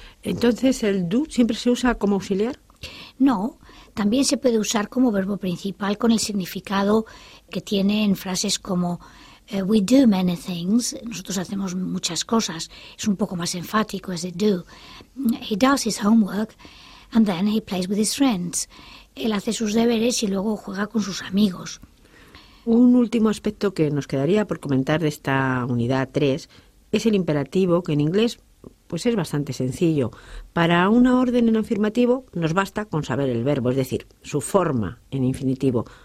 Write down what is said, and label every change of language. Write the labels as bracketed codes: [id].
[es] ¿Entonces el do siempre se usa como auxiliar? No, también se puede usar como verbo principal con el significado que tiene en frases como [en] we do many things, [es] nosotros hacemos muchas cosas, es un poco más enfático ese do. [en] He does his homework and then he plays with his friends. [es] Él hace sus deberes y luego juega con sus amigos. Un último aspecto que nos quedaría por comentar de esta unidad 3 es el imperativo, que en inglés pues es bastante sencillo. Para una orden en afirmativo nos basta con saber el verbo, es decir, su forma en infinitivo.